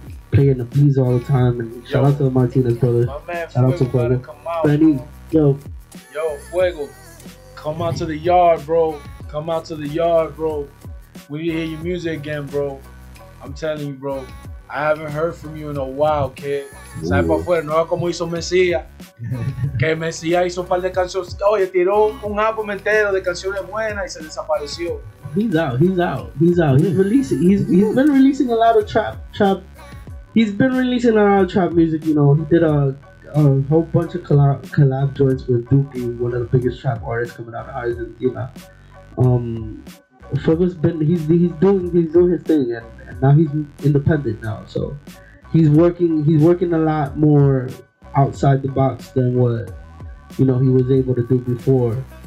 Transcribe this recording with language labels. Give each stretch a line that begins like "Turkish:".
English: Playing the bees all the time, and yo, shout out to the Martinez brothers. My man, shout Fuego out to Fuego. Benny, yo. Yo, Fuego, come out to the yard, bro. Come out to the yard, bro. We need to hear your music again, bro. I'm telling you, bro. I haven't heard from you in a while, kid.
Spanish: Sabe pa' fuera, no es como hizo Mesías. Que Mesías hizo un par de canciones. Oye, tiró un álbum entero de canciones buenas y se desapareció.
English: He's out. He's releasing. He's been releasing a lot of trap. He's been releasing a lot of trap music, you know. He did a whole bunch of collab joints with Duki, one of the biggest trap artists coming out of Argentina. Fuego's been he's doing his thing, and now he's independent now, so he's working a lot more outside the box than what, you know, he was able to do before.